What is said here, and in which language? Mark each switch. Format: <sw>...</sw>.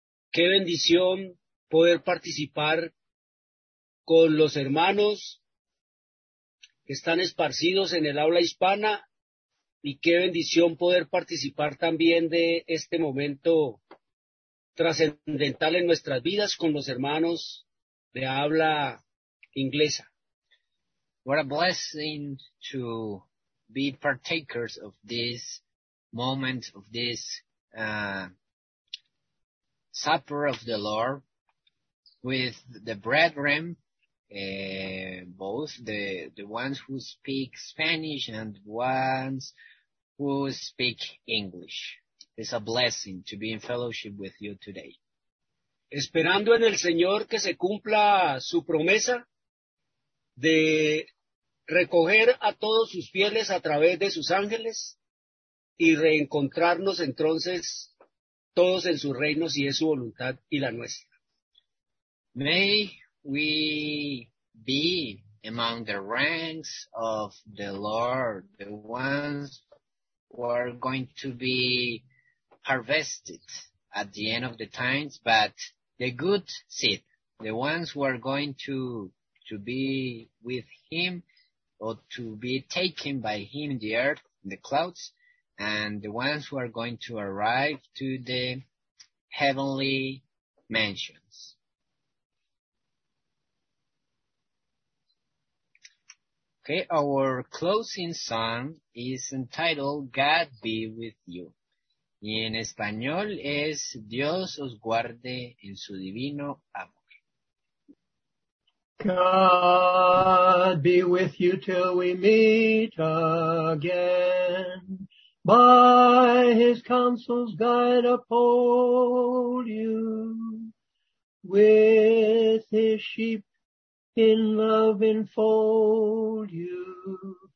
<es>Qué bendición poder participar con los hermanos que están esparcidos en el habla hispana y qué bendición poder participar también de este momento trascendental en nuestras vidas con los hermanos de habla inglesa.</es> <en>What a blessing to be partakers of this moment, of this Supper of the Lord with the brethren, both the ones who speak Spanish and ones who speak English. It's a blessing to be in fellowship with you today.</en> <es>Esperando en el Señor que se cumpla su promesa de recoger a todos sus fieles a través de sus ángeles y reencontrarnos entonces todos en su reino, si es su voluntad y la nuestra.</es> <en>May we be among the ranks of the Lord, the ones who are going to be harvested at the end of the times, but the good seed, the ones who are going to be with him or to be taken by him in the earth, in the clouds, and the ones who are going to arrive to the heavenly mansions. Okay, our closing song is entitled God Be With You.</en> <es>Y en español es Dios os guarde en su divino amor.</es> <en>God be with you till we meet again. By his counsels guide, uphold you. With his sheep in love enfold you.</en>